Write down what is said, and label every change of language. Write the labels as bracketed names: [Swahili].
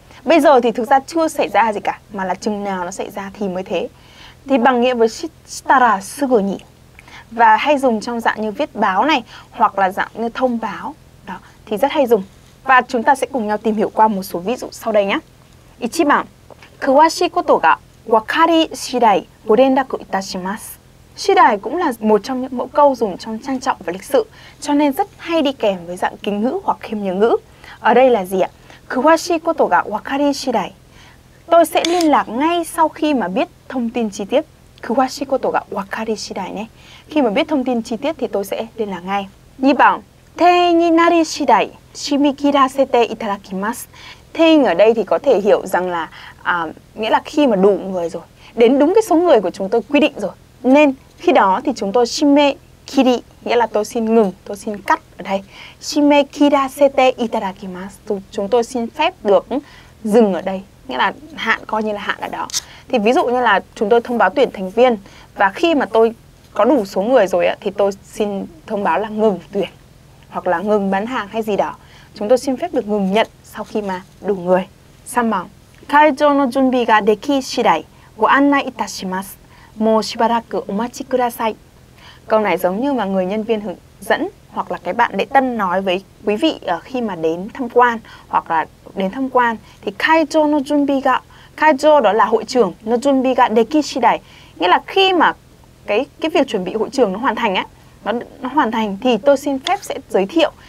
[Vietnamese] Bây giờ thì thực ra chưa xảy ra gì cả, mà là chừng nào nó xảy ra thì mới thế. Thì bằng nghĩa với [Japanese] shitara sugu ni, [Vietnamese] và hay dùng trong dạng như viết báo này hoặc là dạng như thông báo đó, thì rất hay dùng. Và chúng ta sẽ cùng nhau tìm hiểu qua một số ví dụ sau đây nhé. [Japanese] 1番 詳しい ことが分かり次第ご連絡いたします。 [Vietnamese] 次第 cũng là một trong những mẫu câu dùng trong trang trọng và lịch sự, cho nên rất hay đi kèm với dạng kính ngữ hoặc khiêm nhường ngữ. Ở đây là gì ạ? [Japanese] 詳しい ことが分かり次第. [Vietnamese] Tôi sẽ liên lạc ngay sau khi mà biết thông tin chi tiết. [Japanese] 詳しい ことが分かり次第 ね. [Vietnamese] Khi mà biết thông tin chi tiết thì tôi sẽ liên lạc ngay. [Japanese] 2番 定員になり次第締め切らせていただきます。 [Vietnamese] 定員 ở đây thì có thể hiểu rằng là nghĩa là khi mà đủ người rồi, đến đúng cái số người của chúng tôi quy định rồi, nên khi đó thì chúng tôi 締め切り, nghĩa là tôi xin ngừng, tôi xin cắt ở đây. [Japanese] 締め切らせていただきます。 [Vietnamese] chúng tôi xin phép được dừng ở đây, nghĩa là hạn, coi như là hạn ở đó. Thì ví dụ như là chúng tôi thông báo tuyển thành viên, và khi mà tôi có đủ số người rồi thì tôi xin thông báo là ngừng tuyển hoặc là ngừng bán hàng hay gì đó. Chúng tôi xin phép được ngừng nhận sau khi mà đủ người. [Japanese] 3番 会場の準備ができ次第ご案内いたします。もうしばらくお待ちください。 [Vietnamese] câu này giống như mà người nhân viên hướng dẫn hoặc là cái bạn lễ tân nói với quý vị khi mà đến tham quan hoặc là đến tham quan thì [Japanese] kaijo no junbi ga, [Vietnamese] kaijo đó là hội trường, [Japanese] no junbi ga deki shidai, [Vietnamese] nghĩa là khi mà cái việc chuẩn bị hội trường nó hoàn thành á, nó hoàn thành thì tôi xin phép sẽ giới thiệu.